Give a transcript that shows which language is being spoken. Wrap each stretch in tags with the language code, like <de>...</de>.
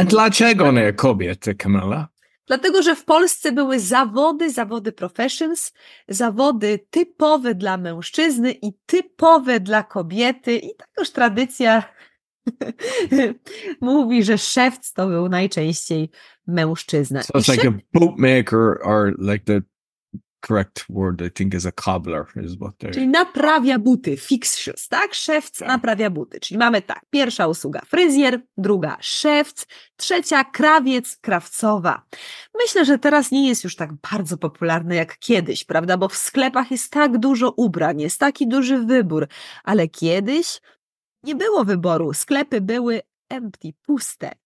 <pl>A dlaczego nie kobiety, Camilla? Dlatego, że w Polsce były zawody professions, zawody typowe dla mężczyzny i typowe dla kobiety. I tak już tradycja mówi, że szewc to był najczęściej mężczyzna.</pl> <en>So it's like a bootmaker or like the... Correct word, I think, is a cobbler, is what they're...</en> <pl>Czyli naprawia buty,</pl> <en>fix shoes,</en> <pl>tak? Szewc naprawia buty. Czyli mamy tak, pierwsza usługa fryzjer, druga szewc, trzecia krawiec, krawcowa. Myślę, że teraz nie jest już tak bardzo popularne jak kiedyś, prawda? Bo w sklepach jest tak dużo ubrań, jest taki duży wybór, ale kiedyś nie było wyboru, sklepy były empty, puste.</pl>